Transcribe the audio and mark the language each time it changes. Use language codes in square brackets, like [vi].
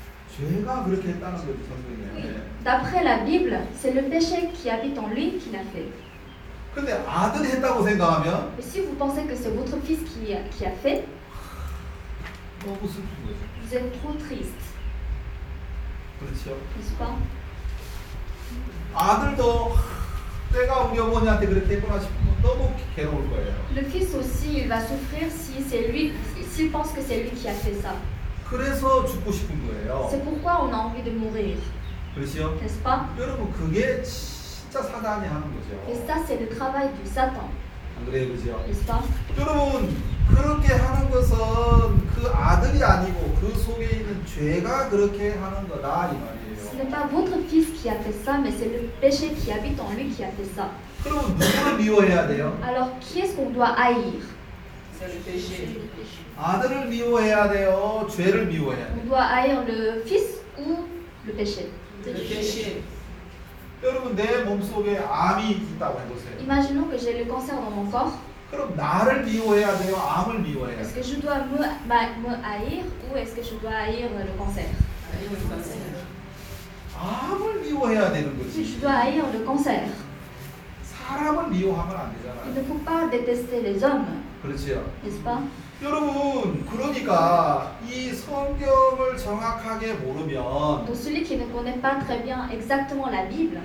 [ko] 죄가 그렇게 했다는 거죠, 성경에. [fr] D'après la Bible, c'est le péché qui habite en lui qui l'a fait. [ko] 근데 아들이 했다고 생각하면? [fr] Mais si vous pensez que c'est votre fils qui a fait? [ko] 너무 슬픈 거죠. [fr] Vous êtes trop triste. [ko] 그렇죠. [fr] N'est-ce pas? [ko] 아들도 내가 우리 어머니한테 그렇게 했구나 싶으면 너무 괴로울 거예요. [fr] Le fils aussi, il va souffrir si c'est lui, s'il pense que c'est lui qui a fait ça. [ko] 그래서 죽고 싶은 거예요. [fr] C'est pourquoi on a envie de mourir. [ko] 그렇죠? [fr] N'est-ce pas? [ko] 여러분 그게 진짜 사단이 하는 거죠. [fr] Et ça c'est le travail du Satan. [ko] 안 그래요, 그죠? [fr] N'est-ce pas? [ko] 여러분 그렇게 하는 것은 그 아들이 아니고 그 속에 있는 죄가 그렇게 하는 거다 이 말이에요. [fr] Ce n'est pas votre fils qui a fait ça, mais c'est le péché qui habite en lui qui a fait ça. [ko] 그럼 누구를 미워해야 돼요? [fr] Alors qui est-ce qu'on doit haïr? C'est le péché. [ko] 아들을 미워해야 돼요. 죄를 미워해야 돼요. [fr] On doit haïr le fils ou le péché. Le péché. [ko] 여러분 내 몸속에 암이 있다고 해보세요. [fr] Imaginons que j'ai le cancer dans mon corps. [ko] 그럼 나를 미워해야 돼요. 암을 미워해야 돼요. [fr] Est-ce que je dois me haïr ou est-ce que je dois haïr le cancer? Le cancer. [ko] 암을 미워해야 되는 거지. [fr] Je dois haïr le cancer. [ko] 사람을 미워하면 안 되잖아요. [fr] Il ne faut pas détester les hommes. [ko] 그렇지요. 됐어? 여러분, 그러니까 이 성경을 정확하게 모르면 [fr] donc celui qui ne connaît pas très bien exactement la Bible